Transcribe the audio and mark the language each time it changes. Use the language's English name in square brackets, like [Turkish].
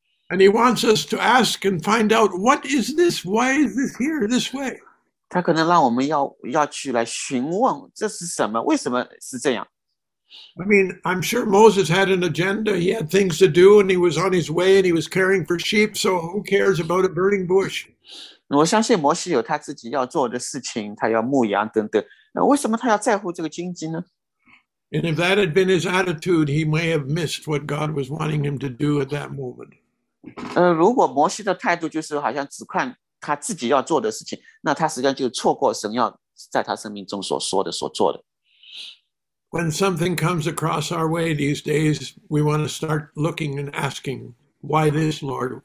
[English] And he wants us to ask and find out, what is this? Why is this here this way? [Chinese] 他可能让我们要去来询问这是什么，为什么是这样？ [English] I mean, I'm sure Moses had an agenda. He had things to do, and he was on his way, and he was caring for sheep. So who cares about a burning bush? [Chinese] 我相信摩西有他自己要做的事情，他要牧羊等等。那为什么他要在乎这个荆棘呢？ [English] And if that had been his attitude, he may have missed what God was wanting him to do at that moment. [Chinese] 如果摩西的态度就是好像只看。他自己要做的事情，那他实际上就错过神要在他生命中所说的、所做的。 [English] When something comes across our way these days, we want to start looking and asking, "Why this, Lord?